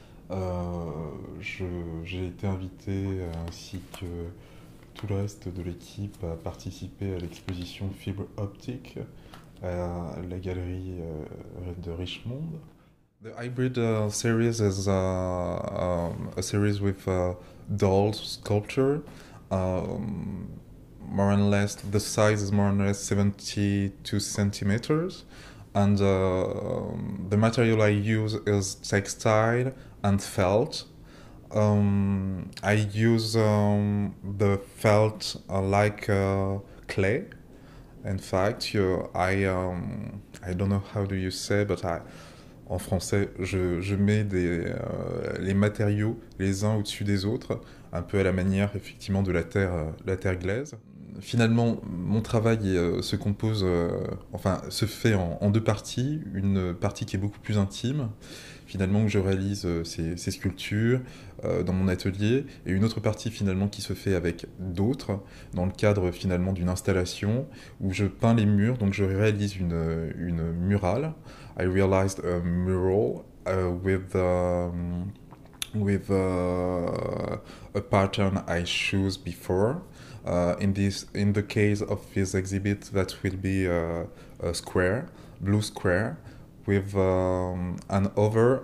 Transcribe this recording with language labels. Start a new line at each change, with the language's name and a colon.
French: J'ai été invité ainsi que tout le reste de l'équipe à participer à l'exposition Fibre Optique à la galerie de Richmond.
English: The hybrid series is a series with doll sculpture. More or less, the size is more or less 72 centimeters. And the material I use is textile and felt. I use the felt like clay. In fact, I don't know how do you say, but I...
French: En français, je mets les matériaux les uns au-dessus des autres, un peu à la manière effectivement de la terre glaise. Finalement, mon travail se compose, enfin, se fait en deux parties. Une partie qui est beaucoup plus intime, finalement, où je réalise ces sculptures dans mon atelier, et une autre partie finalement qui se fait avec d'autres, dans le cadre finalement d'une installation où je peins les murs. Donc, je réalise une murale.
English: I realized a mural with a pattern I chose before. In the case of this exhibit, that will be a square, blue square, with an over.